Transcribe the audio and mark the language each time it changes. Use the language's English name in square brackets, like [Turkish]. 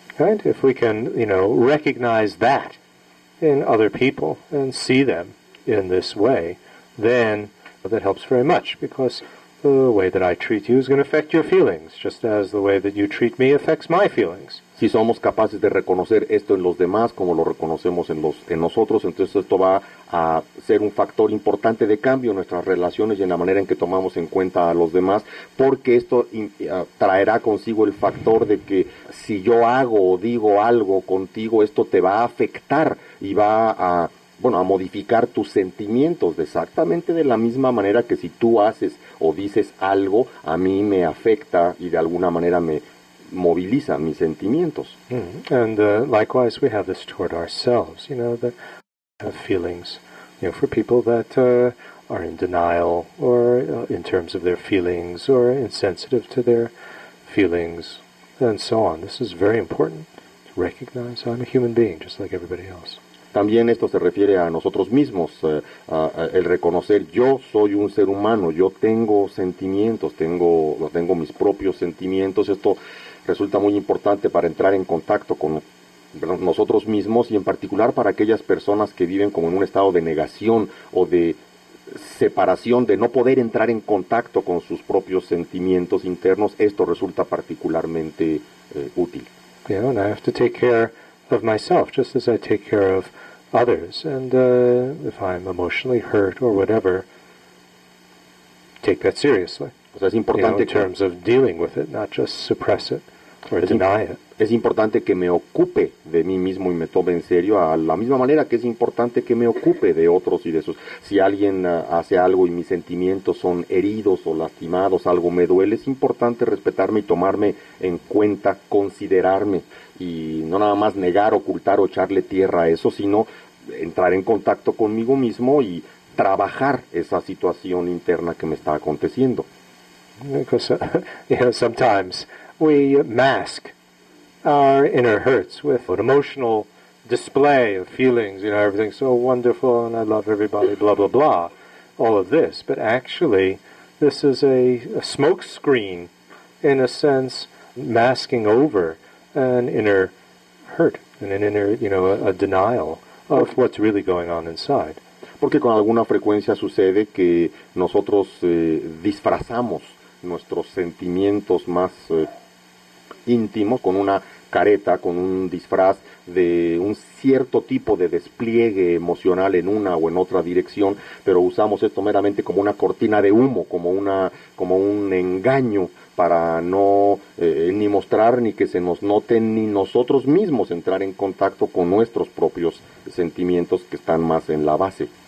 [English] And if we can, you know, recognize that in other people and see them in this way, then that helps very much, because the way that I treat you is going to affect your feelings, just as the way that you treat me affects my feelings. [Spanish] Si somos capaces de reconocer esto en los demás como lo reconocemos en nosotros, entonces esto va a ser un factor importante de cambio en nuestras relaciones y en la manera en que tomamos en cuenta a los demás, porque esto traerá consigo el factor de que si yo hago o digo algo contigo, esto te va a afectar y va a bueno, a modificar tus sentimientos de exactamente de la misma manera que si tú haces o dices algo, a mí me afecta y de alguna manera me moviliza mis sentimientos. Mm-hmm. [English] And likewise, we have this toward ourselves, you know, that have feelings, you know, for people that are in denial or in terms of their feelings or insensitive to their feelings and so on. This is very important to recognize. I'm a human being just like everybody else. [Spanish] También esto se refiere a nosotros mismos, el reconocer yo soy un ser humano, yo tengo sentimientos, tengo mis propios sentimientos. Esto resulta muy importante para entrar en contacto con nosotros mismos y en particular para aquellas personas que viven como en un estado de negación o de separación, de no poder entrar en contacto con sus propios sentimientos internos. Esto resulta particularmente útil. [English] Yeah, and I have to take care of myself, just as I take care of others. And if I'm emotionally hurt or whatever, take that seriously. [Spanish] O sea, es importante, [English] you know, in terms of dealing with it, not just suppress it or deny it. [Spanish] Es importante que me ocupe de mí mismo y me tome en serio, a la misma manera que es importante que me ocupe de otros y de sus. Si alguien hace algo y mis sentimientos son heridos o lastimados, algo me duele, es importante respetarme y tomarme en cuenta, considerarme. Y no nada más negar, ocultar o echarle tierra a eso, sino entrar en contacto conmigo mismo y trabajar esa situación interna que me está aconteciendo. [English] Because, you know, sometimes we mask our inner hurts with an emotional display of feelings, you know, everything's so wonderful and I love everybody, blah, blah, blah, all of this. But actually, this is a smoke screen, in a sense, masking over an inner hurt and an inner, you know, a denial of what's really going on inside. [Spanish] Porque con alguna frecuencia sucede que nosotros disfrazamos nuestros sentimientos más íntimos con una careta, con un disfraz de un cierto tipo de despliegue emocional en una o en otra dirección, pero usamos esto meramente como una cortina de humo, como un engaño para no ni mostrar ni que se nos noten ni nosotros mismos entrar en contacto con nuestros propios sentimientos que están más en la base.